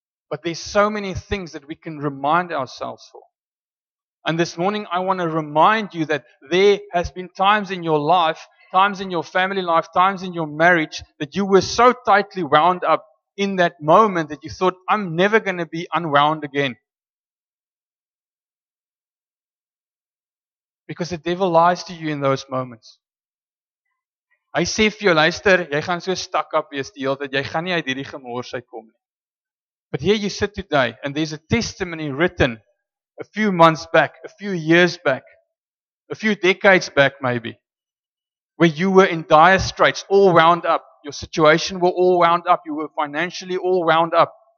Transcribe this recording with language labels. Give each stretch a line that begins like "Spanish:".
English: But there's so many things that we can remind ourselves for. And this morning I want to remind you that there has been times in your life, times in your family life, times in your marriage, that you were so tightly wound up in that moment that you thought, I'm never going to be unwound again. Because the devil lies to you in those moments.
Afrikaans: Hy sê vir jou, luister, jy gaan so stuck up wees die hele tyd, jy gaan nie uit hierdie gemors uitkom nie.
English: But here you sit today, and there's a testimony written a few months back, a few years back, a few decades back maybe, where you were in dire straits, all wound up. Your situation were all wound up. You were financially all wound up.